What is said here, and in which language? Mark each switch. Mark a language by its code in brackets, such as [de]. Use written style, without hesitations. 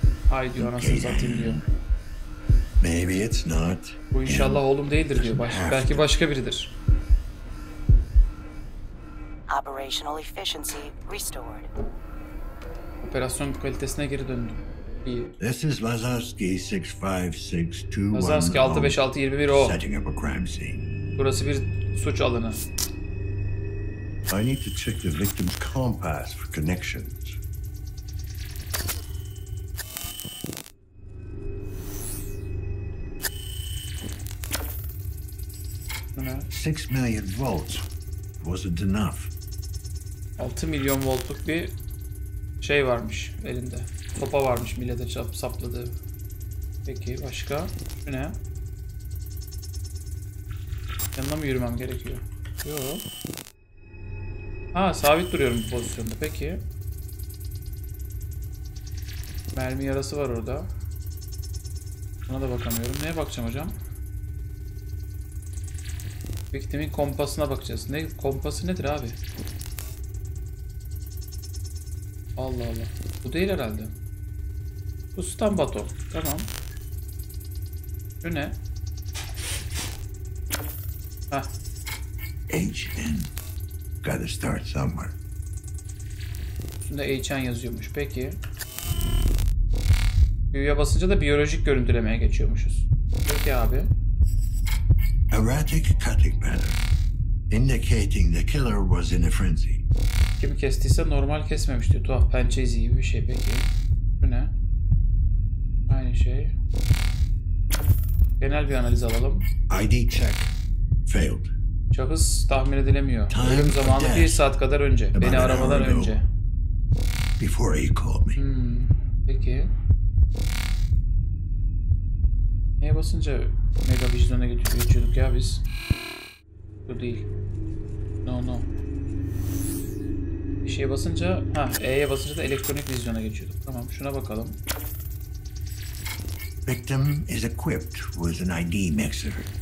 [tr] Haydi anasını satayım diyor. [en] Maybe it's not. [tr] Bu inşallah oğlum değildir diyor. Belki başka biridir. [en] Operational efficiency restored. [tr] Operasyon kalitesine geri döndüm. İyi. [en] This is Lazarski 65621. Lazarski 65621 o. Setting up a crime scene. [tr] Burası bir suç alanı. [en] I need to check the victim's compass for connections. Six million volts wasn't enough. [tr] 6 milyon voltluk bir şey varmış elinde. Topa varmış millete sapladığı. Peki başka? Şu ne? Yanına mı yürümem gerekiyor? Yok. Ha, sabit duruyorum bu pozisyonda. Peki. Mermi yarası var orada. Buna da bakamıyorum. Neye bakacağım hocam? Victim'in kompasına bakacağız. Ne kompası nedir abi? Allah Allah. Bu değil herhalde. Bu Stan Bato. Tamam. Bu ne? [en] Ha. H.N. Gotta start somewhere. [tr] Şunda H.N. yazıyormuş. Peki. Büyüye basınca da biyolojik görüntülemeye geçiyormuşuz. Peki abi. [en] Erratic cutting pattern. Indicating the killer was in a frenzy. [tr] Kim kestiyse normal kesmemişti. Tuhaf pençe izi gibi bir şey. Peki. Bu ne? Aynı şey. Genel bir analiz alalım. [en] ID check. Failed. [tr] Şahıs tahmin edilemiyor. Ölüm zamanı 1 saat kadar önce. [en] About [tr] beni aramadan önce. [en] Before he called me. [tr] Hmm. Peki. Neye basınca mega vicdana geçiyorduk ya biz? Bu değil. [en] No no. [tr] Bir şeye basınca, ha E'ye basınca da elektronik vizyona geçiyorduk. Tamam, şuna bakalım. [en] Victim is equipped with an ID mixer.